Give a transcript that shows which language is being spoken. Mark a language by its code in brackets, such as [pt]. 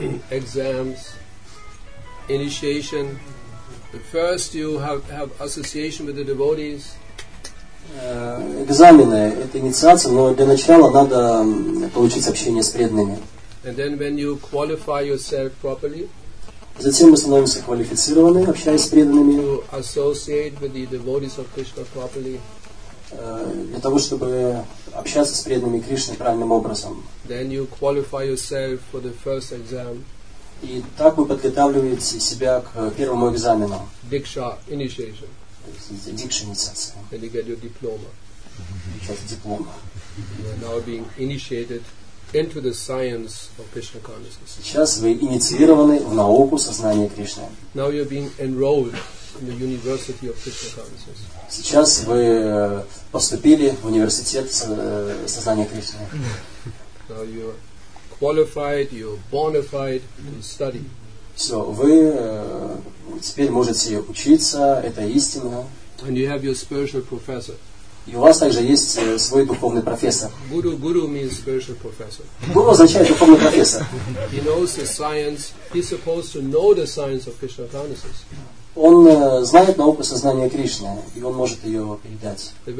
[en] Exams. Initiation. First, you have association with the devotees. [ru] Экзамены – это инициация, но для начала надо получить общение с преданными. [en] And then, when you qualify yourself properly. [ru] Затем мы становимся квалифицированными, общаясь с преданными. [en] To associate with the devotees of Krishna properly. [ru] Для того, чтобы общаться с преданными Кришны правильным образом. [en] Then you qualify yourself for the first exam. [ru] И так вы подготавливаете себя к первому экзамену. Диксха, инициация. Диксха, инициация. [en] Then you get your diploma. [ru] Сейчас диплома. [en] You are now being initiated into the science of Krishna consciousness. [ru] Сейчас вы инициированы в науку сознания Кришны. [en] Now you are being enrolled in the University of Krishna consciousness. [ru] Сейчас вы поступили в университет сознания Кришны. [en] Now you are qualified, you are bona fide to study. [ru] Все, вы теперь можете учиться, это истина. [en] And you have your spiritual professor. [ru] И у вас также есть свой духовный профессор. [en] Guru means spiritual professor. [ru] Guru означает духовный профессор. [en] He knows the science. He's supposed to know the science of Krishna consciousness. [ru] Он знает науку сознания Кришны, и он может ее передать.